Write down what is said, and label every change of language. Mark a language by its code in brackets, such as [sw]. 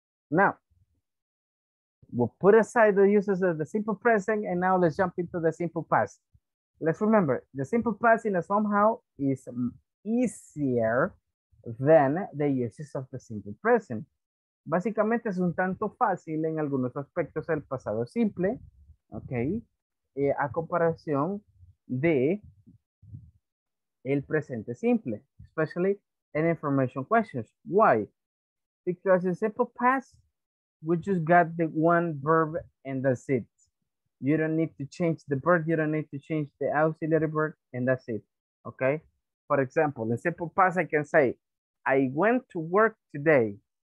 [en] Now, we'll put aside the uses of the simple present and now let's jump into the simple past. Let's remember, the simple past in a somehow is easier than the uses of the simple present. [es] Básicamente es un tanto fácil en algunos aspectos el pasado simple, okay, a comparación de el presente simple, [en] especially in information questions. Why? Because in simple past, we just got the one verb and that's it. You don't need to change the verb, you don't need to change the auxiliary verb, and that's it, okay? For example, in simple past, I can say, I went to work today.